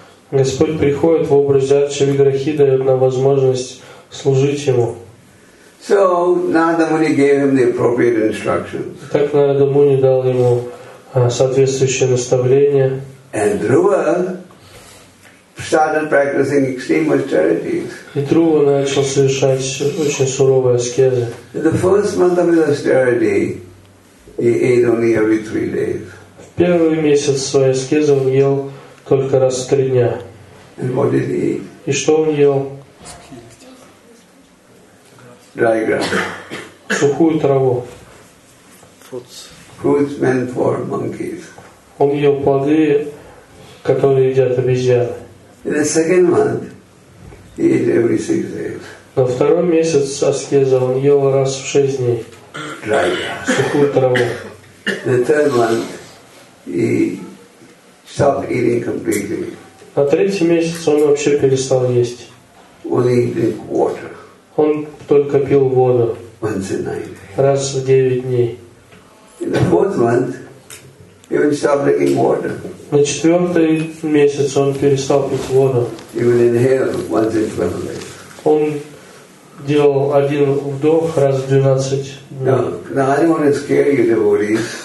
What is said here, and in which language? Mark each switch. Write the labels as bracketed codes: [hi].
[ru] Господь приходит в образе Арчавиграхи, дает нам возможность служить Ему. [en] So Narada Muni gave him the appropriate instructions. [ru] Так Нарада Муни дал ему соответствующее наставление. [en] And Dhruva started practicing extreme austerities. [ru] И Друва начал совершать очень суровые аскезы. [en] The first month of his austerity, he ate only every 3 days. [ru] Первый месяц своей аскезы он ел только раз в 3 дня. [en] And what did he eat? [ru] И что он ел? [en] Dry grass. [ru] Сухую траву. [en] Fruits. Fruits meant for monkeys. [ru] Он ел плоды, которые едят обезьяны. [en] In the second month, he ate every 6 days. [ru] Во втором месяц аскезы он ел раз в 6 дней. [en] Dry grass. [ru] Сухую траву. [en] The third month, he stopped eating completely. [ru] На третий месяц он вообще перестал есть. [en] Only drink water. [ru] Он только пил воду. [en] Once a night. [ru] Раз в 9 дней. [en] In the fourth month, he even stopped drinking water. [ru] На четвертый месяц он перестал пить воду. [en] Even inhale once in 12 days. [ru] Он делал один вдох раз в 12 дней. [en] No, I don't want to scare you, devotees.